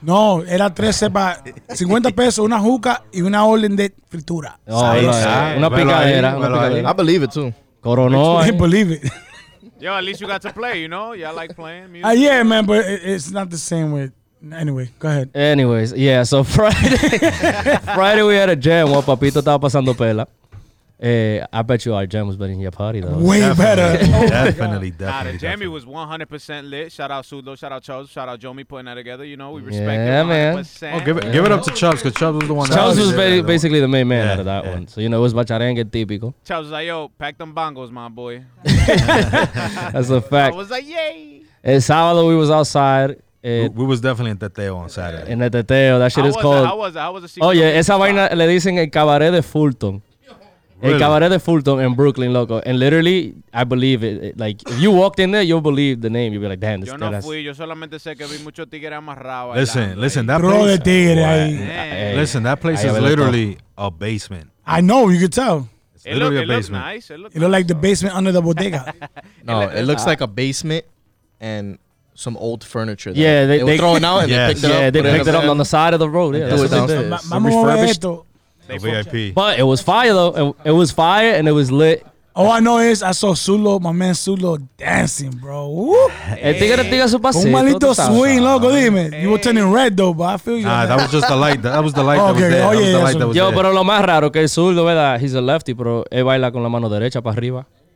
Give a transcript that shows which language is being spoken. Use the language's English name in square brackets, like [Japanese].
[Spanish] No, era 13 para 50 pesos, una juca y una orden de fritura. [English] Oh, yeah. [Spanish] Una picadera. [English] I believe it, too. [Spanish] Coronó. [English] I believe it. Yo, at least you got to play, you know? Y'all like playing music? Yeah, man, but it's not the same with... Anyway, go ahead. Anyways, yeah, so Friday we had a jam while Papito [Spanish] estaba pasando pela. [English] I bet you our jam was better than your party, though. Way better. Definitely. Nah, the jammy was 100% lit. Shout out Sudo, shout out Chubbs, shout out Jomi putting that together. You know, we respect it 100%. Man. Give it up to Chubbs, because Chubbs was the one. Chubbs was basically the main man out of that one. So, you know, it was bacharengue típico. Chubbs was like, yo, pack them bongos, my boy. That's a fact. I was like, yay. [Spanish] El sábado, [English] we was outside. We was definitely in Teteo on Saturday. In the Teteo, that shit how is called. How was it? [Spanish] Oh, yeah, esa vaina le dicen el cabaret de Fulton. [English] Really? El cabaret de Fulton in Brooklyn, loco. And literally, I believe it. Like, if you walked in there, you'll believe the name. You'll be like, damn, this [Spanish] guy. Yo no fui. Yo solamente sé que vi muchos tigres amarrados. [English] Listen, that place. Throw the tigre ahí. Listen, that place is literally a basement. I know. You can tell. It's literally a basement. Look nice. It looked like the basement under the bodega. No, it looks like a basement and some old furniture. They picked it up on the side of the road. Refurbished. VIP. But it was fire though. It was fire and it was lit. All I know is I saw Zulo, my man Zulo, dancing, bro. [Spanish] Un malito swing, loco, dime. [English] You were turning red though, but I feel you. Nah, that was just the light. That was the light that was there. [Spanish] Pero lo más raro que el Zulo, ¿verdad? [English] He's a lefty, [Spanish] pero él baila con la mano derecha para arriba.